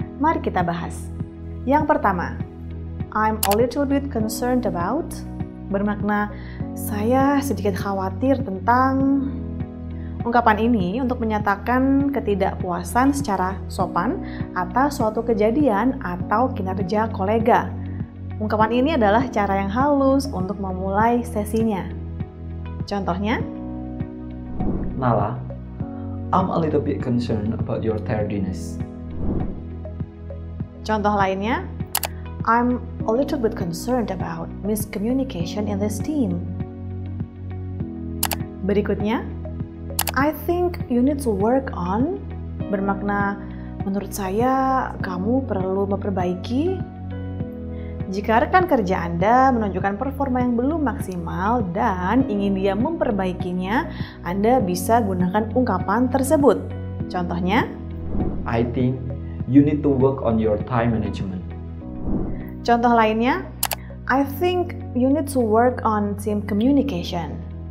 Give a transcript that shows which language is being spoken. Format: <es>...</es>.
<id>Mari kita bahas. Yang pertama,</id> <en>I'm a little bit concerned about,</en> <id>bermakna saya sedikit khawatir tentang. Ungkapan ini untuk menyatakan ketidakpuasan secara sopan atas suatu kejadian atau kinerja kolega. Ungkapan ini adalah cara yang halus untuk memulai sesinya. Contohnya,</id> <en>Nala, I'm a little bit concerned about your tardiness.</en> <id>Contoh lainnya,</id> <en>I'm a little bit concerned about miscommunication in this team.</en> <id>Berikutnya,</id> <en>I think you need to work on,</en> <id>bermakna menurut saya kamu perlu memperbaiki. Jika rekan kerja Anda menunjukkan performa yang belum maksimal dan ingin dia memperbaikinya, Anda bisa gunakan ungkapan tersebut. Contohnya,</id> <en>I think you need to work on your time management.</en> <id>Contoh lainnya,</id> <en>I think you need to work on team communication.</en>